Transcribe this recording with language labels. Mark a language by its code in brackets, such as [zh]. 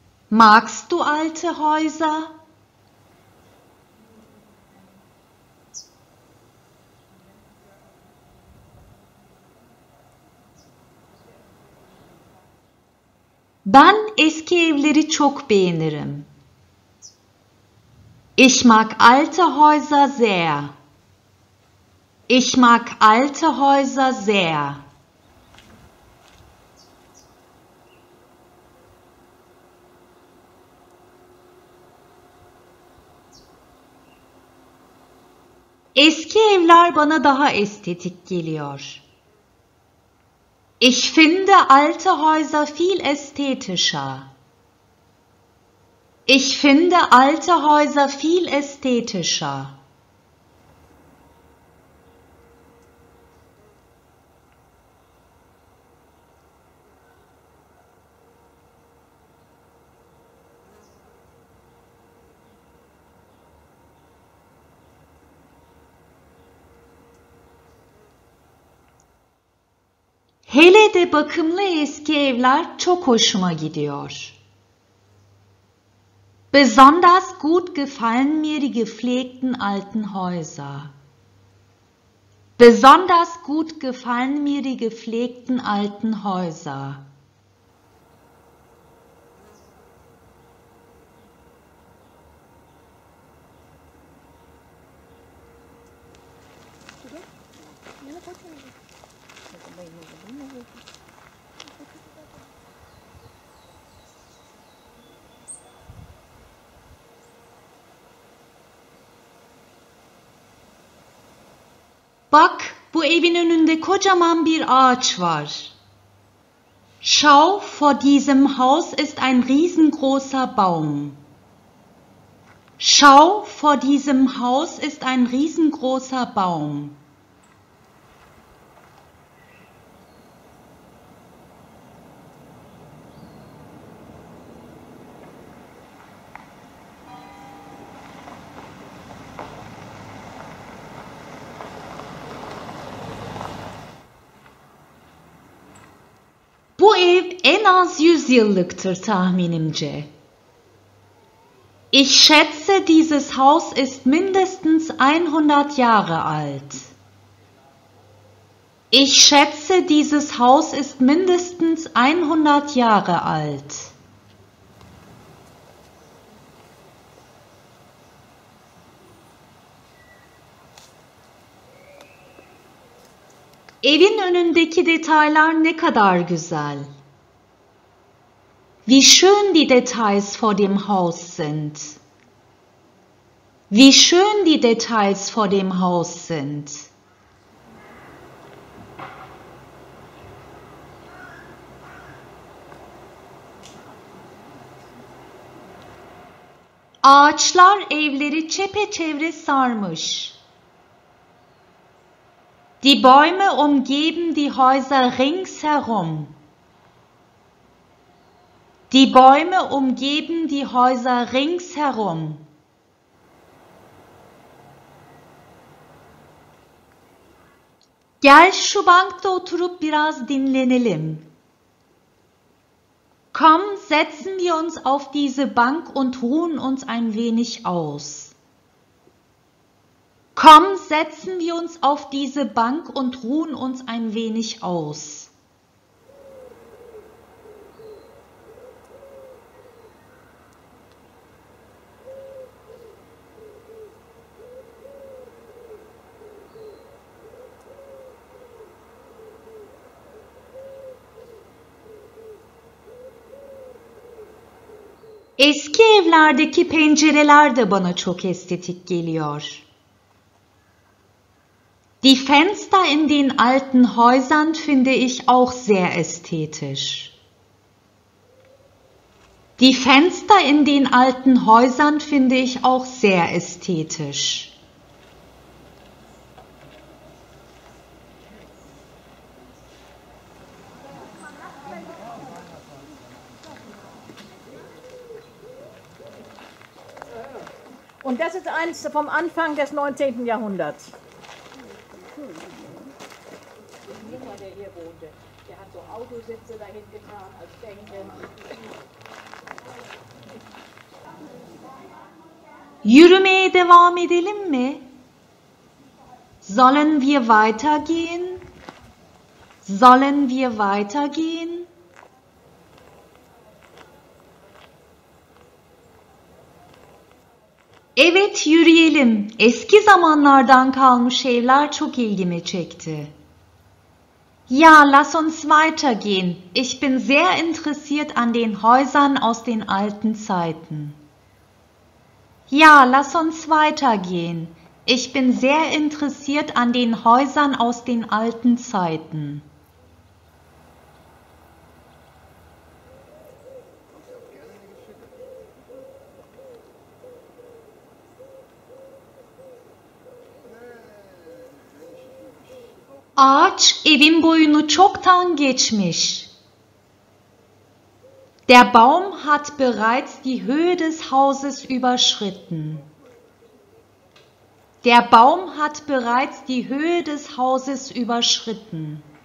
[de] Magst du alte Häuser? [tr] Ben eski evleri çok beğenirim. [de] Ich mag alte Häuser sehr. Ich mag alte Häuser sehr. [tr] Eski evler bana daha estetik geliyor. [de] Ich finde alte Häuser viel ästhetischer. Ich finde alte Häuser viel ästhetischer. [tr] Hele de bakımlı eski evler çok hoşuma gidiyor. [de] Besonders gut gefallen mir die gepflegten alten Häuser. Besonders gut gefallen mir die gepflegten alten Häuser. [tr] Bak, bu evin önünde kocaman bir ağaç var. [de] Schau, vor diesem Haus ist ein riesengroßer Baum. Schau, vor diesem Haus ist ein riesengroßer Baum. [tr] Bu ev en az 100 yıllıktır tahminimce. [de] Ich schätze, dieses Haus ist mindestens 100 Jahre alt. Ich schätze, dieses Haus ist mindestens 100 Jahre alt. [tr] Evin önündeki detaylar ne kadar güzel. [de] Wie schön die Details vor dem Haus sind. Wie schön die Details vor dem Haus sind. [tr] Ağaçlar evleri çepeçevre sarmış. [de] Die Bäume umgeben die Häuser ringsherum. Die Bäume umgeben die Häuser ringsherum. [tr] Gel şu bankta oturup biraz dinlenelim. [de] Komm, setzen wir uns auf diese Bank und ruhen uns ein wenig aus. Komm, setzen wir uns auf diese Bank und ruhen uns ein wenig aus. [tr] Eski evlerdeki pencereler de bana çok estetik geliyor. [de] Die Fenster in den alten Häusern finde ich auch sehr ästhetisch. Die Fenster in den alten Häusern finde ich auch sehr ästhetisch. Und das ist eins vom Anfang des 19. Jahrhunderts. [tr] Yürümeye devam edelim mi? [de] Sollen wir weitergehen? Sollen wir weitergehen? [tr] Evet, yürüyelim. Eski zamanlardan kalmış evler çok ilgimi çekti. [de] Ja, lass uns weitergehen. Ich bin sehr interessiert an den Häusern aus den alten Zeiten. Ja, lass uns weitergehen. Ich bin sehr interessiert an den Häusern aus den alten Zeiten. [tr] Ağaç evin boyunu çoktan geçmiş. [de] Der Baum hat bereits die Höhe des Hauses überschritten. Der Baum hat bereits die Höhe des Hauses überschritten.